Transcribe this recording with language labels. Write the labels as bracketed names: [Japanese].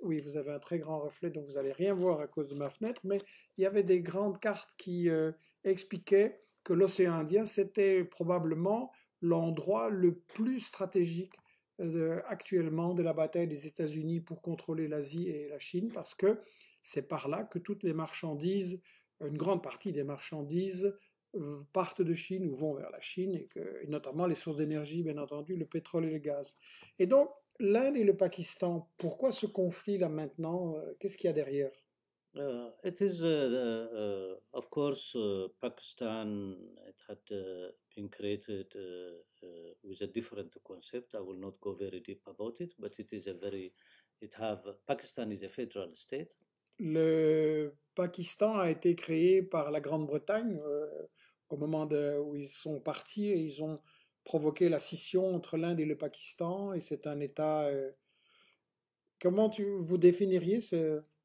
[French] Oui, vous avez un très grand reflet, donc vous n'allez rien voir à cause de ma fenêtre, mais il y avait des grandes cartes qui expliquaient que l'océan Indien, c'était probablement l'endroit le plus stratégique actuellement de la bataille des États-Unis pour contrôler l'Asie et la Chine, parce que c'est par là que toutes les marchandises, une grande partie des marchandises, partent de Chine ou vont vers la Chine, et notamment les sources d'énergie, bien entendu, le pétrole et le gaz. Et donc, l'Inde et le Pakistan, pourquoi ce conflit là maintenant? Qu'est-ce qu'il y a derrière? [English] It is, of course, Pakistan, it had been created with a different concept. I will not go very deep about it, but it is a very, it have, Pakistan is a federal state. [French] Le Pakistan a été créé par la Grande-Bretagne au moment où ils sont partis et ils ont provoqué la scission entre l'Inde et le Pakistan, et c'est un État. Comment vous définiriez ce.